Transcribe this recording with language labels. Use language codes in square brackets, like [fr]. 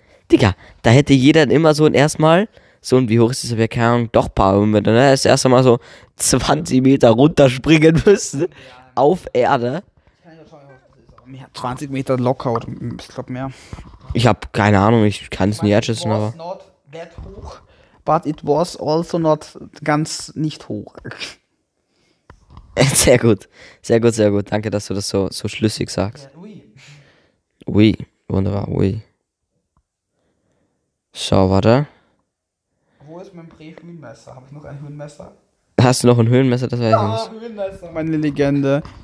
[de] Digga, da hätte jeder immer so ein erstmal. So, und wie hoch ist das? Keine Ahnung, doch ein paar Momente, ne? Das erste Mal so 20 Meter runterspringen müssen. Auf Erde. 20 Meter locker oder ich glaube mehr. Ich habe keine Ahnung, ich kann es nicht einschätzen, aber. [en] It was not that hoch, but it was also not [de] ganz nicht hoch. Sehr gut. Sehr gut, sehr gut. Danke, dass du das so schlüssig sagst. Ui. Ui. Wunderbar, ui. So, warte. Wo ist mein Prä-Höhenmesser? Habe ich noch ein Höhenmesser? Hast du noch ein Höhenmesser? Das weiß ich nicht. Ja, Höhenmesser, meine Legende.